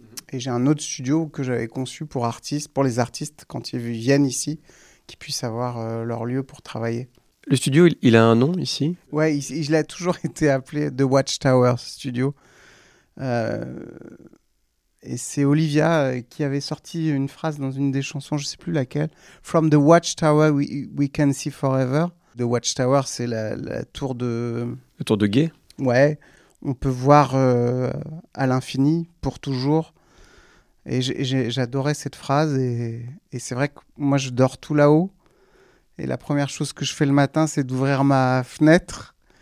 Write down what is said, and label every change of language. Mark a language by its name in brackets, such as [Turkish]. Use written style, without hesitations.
[French] Et j'ai un autre studio que j'avais conçu pour artistes, pour les artistes, quand ils viennent ici, qu'ils puissent avoir leur lieu pour travailler. Le studio, il a un nom ici ? Ouais, il a toujours été appelé The Watchtower Studio. Et c'est Olivia qui avait sorti une phrase dans une des chansons, je ne sais plus laquelle. [English] From the Watchtower, we can see forever. [French] The Watchtower, c'est la tour de... La tour de guet ? Ouais, on peut voir à l'infini, pour toujours. Et j'adorais cette phrase. Et c'est vrai que moi, je dors tout là-haut. Et la première chose que je fais le matin, c'est d'ouvrir ma fenêtre.